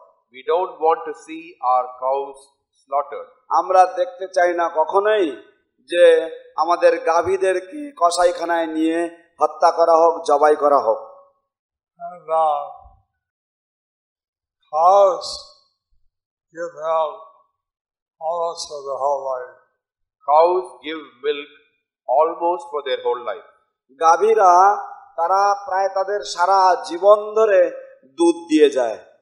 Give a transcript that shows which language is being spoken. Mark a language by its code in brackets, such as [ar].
[en] We don't want to see our cows slaughtered. [bn] আমরা দেখতে চাই না কখনোই যে আমাদের গাভীদেরকে কসাইখানায় নিয়ে হত্যা করা হোক, জবাই করা হোক. [en] Cows give milk almost for their whole life. Cows give milk almost for their whole life. [bn] গাভীরা তারা প্রায় তাদের সারা জীবন ধরে দুধ দিয়ে যায়.